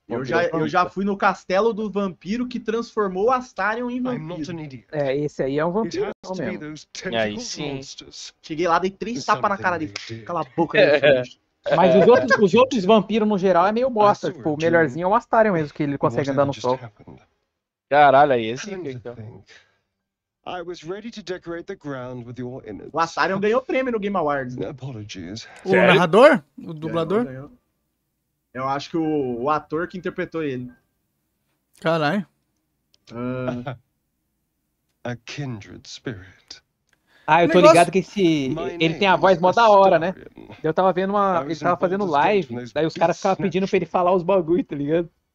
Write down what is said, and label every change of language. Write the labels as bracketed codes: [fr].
[pt] Eu já fui no castelo do vampiro que transformou o Astarion em vampiro. É, esse aí é um vampiro mesmo. E aí sim. Cheguei lá, dei três tapas na cara dele. Cala a boca. Mas os outros vampiros, no geral, é meio bosta. Tipo, o melhorzinho é o Astarion mesmo, que ele consegue andar no sol. Caralho, aí esse... [en] I was ready to decorate the ground with your innards. [pt] O Astarion ganhou prêmio no Game Awards. Né? [en] Apologies. [pt] O Sério? Narrador? O dublador? Eu acho que o ator que interpretou ele. Caralho. [en] A kindred spirit. [pt] Ah, eu tô ligado que esse. Ele tem a voz mó da hora, né? Eu tava vendo uma. Ele tava fazendo live, daí os caras ficavam pedindo pra ele falar os bagulho, tá ligado?